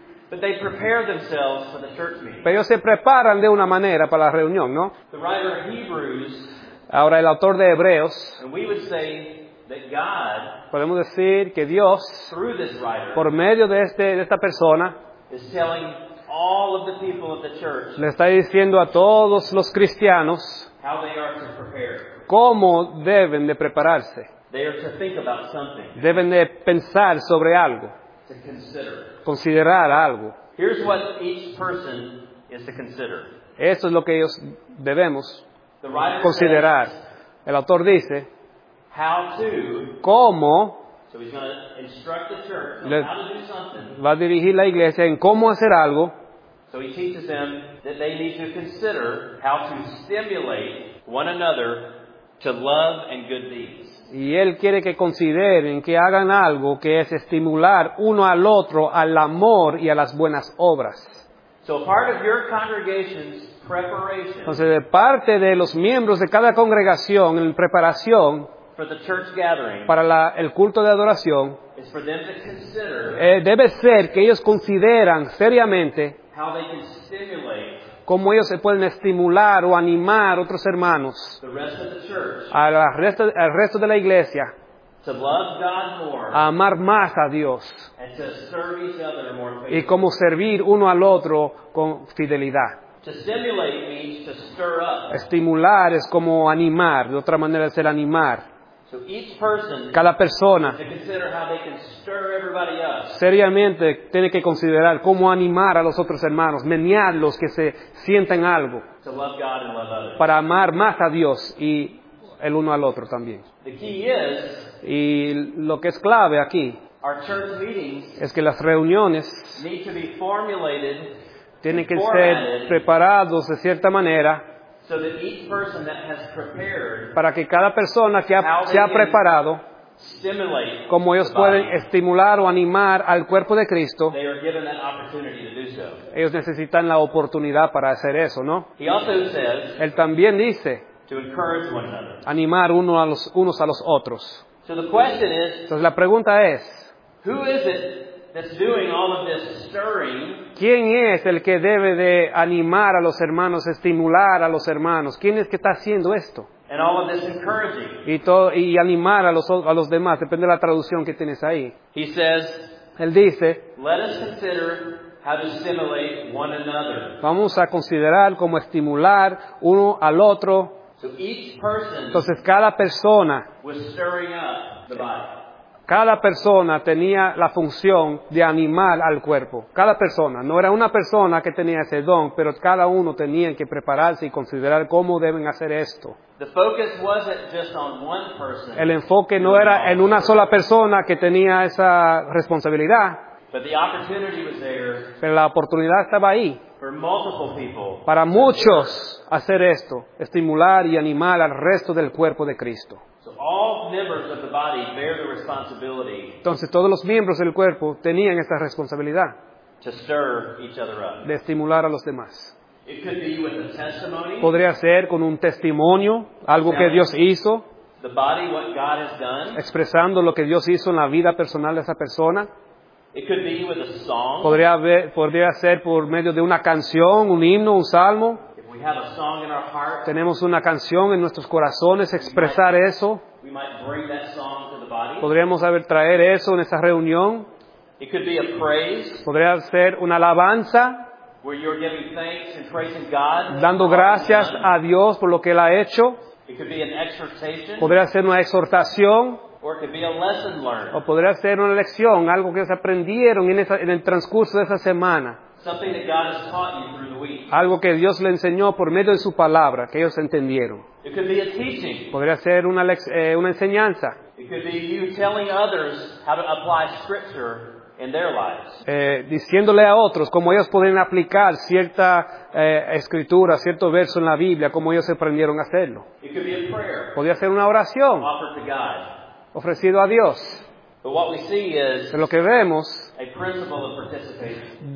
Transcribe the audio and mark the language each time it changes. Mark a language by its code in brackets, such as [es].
[en] But they prepare themselves for the church meeting. [es] Pero ellos se preparan de una manera para la reunión, ¿no? [en] The writer of Hebrews. [es] Ahora el autor de Hebreos. [en] And we would say that God. [es] Podemos decir que Dios. [en] Through this writer. [es] Por medio de esta persona. [en] Is telling all of the people of the church. [es] Le está diciendo a todos los cristianos. [en] How they are to prepare. [es] Cómo deben de prepararse. [en] They are to think about something. [es] Deben de pensar sobre algo. [en] To consider. [es] Considerar algo. [en] Here's what each person is to consider. [es] Eso es lo que ellos debemos considerar. El autor dice, [en] how to, [es] cómo, [en] so he's going to instruct the church on how to do something. [es] Va a dirigir la iglesia en cómo hacer algo. [en] So he teaches them that they need to consider how to stimulate one another to love and good deeds. [es] Y él quiere que consideren que hagan algo que es estimular uno al otro al amor y a las buenas obras. [en] So part of your congregation's preparation. [es] Entonces, de parte de los miembros de cada congregación en preparación [en] for the church gathering, [es] para el culto de adoración, [en] is for them to consider, [es] debe ser que ellos consideran seriamente [en] how they can stimulate, [es] cómo ellos se pueden estimular o animar otros hermanos al resto de la iglesia [en] to love God more, [es] a amar más a Dios [en] and to serve each other more faithfully. [es] Y cómo servir uno al otro con fidelidad. [en] To stimulate means to stir up. [es] Estimular es como animar, de otra manera es el animar. [en] So each person, [es] cada persona, [en] to consider how they can stir everybody up. [es] Seriamente tiene que considerar cómo animar a los otros hermanos, menearlos, que se sientan algo. [en] To love God and love others. [es] Para amar más a Dios y el uno al otro también. [en] The key is, [es] y lo que es clave aquí, [en] our church meetings [es] es que las reuniones [en] need to be formulated, [es] tienen que ser preparados de cierta manera. [en] So that each person that has prepared, [es] para que cada persona que se ha preparado, como ellos pueden estimular o animar al cuerpo de Cristo, [en] they are given that opportunity to do so. [es] Ellos necesitan la oportunidad para hacer eso, ¿no? [en] He also says, [es] él también dice, [en] to encourage one another, [es] animar unos a los otros. [en] So the question is, [es] entonces la pregunta es, [en] who is it that's doing all of this stirring? [es] ¿Quién es el que debe de animar a los hermanos, estimular a los hermanos? ¿Quién es que está haciendo esto? [en] And all of this encouraging. [es] Y animar a los demás, depende de la traducción que tienes ahí. [en] He says, [es] él dice, [en] let us consider how to stimulate one another. [es] Vamos a considerar cómo estimular uno al otro. [en] So each person, [es] entonces cada persona [en] was stirring up the body. [es] Cada persona tenía la función de animar al cuerpo. Cada persona. No era una persona que tenía ese don, pero cada uno tenía que prepararse y considerar cómo deben hacer esto. [en] The focus wasn't just on one person. [es] El enfoque no era en una sola persona que tenía esa responsabilidad. [en] But the opportunity was there, [es] pero la oportunidad estaba ahí. [en] For multiple people, [es] para muchos hacer esto, estimular y animar al resto del cuerpo de Cristo. [en] So all members of the body bear the responsibility. [es] Entonces todos los miembros del cuerpo tenían esta responsabilidad. [en] To stir each other up. [es] De estimular a los demás. [en] It could be with a testimony. [es] Podría ser con un testimonio, algo que Dios hizo. [en] The body, what God has done. [es] Expresando lo que Dios hizo en la vida personal de esa persona. [en] It could be with a song. [es] Podría ser por medio de una canción, un himno, un salmo. [en] If we have a song in our heart, [es] tenemos una canción en nuestros corazones, expresar eso. [en] We might bring that song to the body. [es] Podríamos haber traer eso en esa reunión. [en] It could be a praise. [es] Podría ser una alabanza. [en] Where you're giving thanks and praising God. [es] Dando gracias a Dios por lo que Él ha hecho. [en] It could be an exhortation. [es] Podría ser una exhortación. [en] Or it could be a lesson learned. [es] O podría ser una lección, algo que se aprendieron en el transcurso de esa semana. [en] Something that God has taught you through the week. [es] Algo que Dios le enseñó por medio de su palabra, que ellos entendieron. [en] It could be a teaching. [es] Podría ser una enseñanza. [en] It could be you telling others how to apply scripture in their lives. [es] Diciéndole a otros cómo ellos pueden aplicar cierta escritura, cierto verso en la Biblia, cómo ellos aprendieron a hacerlo. [en] It could be a prayer. [es] Podría ser una oración. [en] Offered to God. [es] Ofrecido a Dios. [en] But what we see is, [es] lo que vemos, [en] a principle of participation.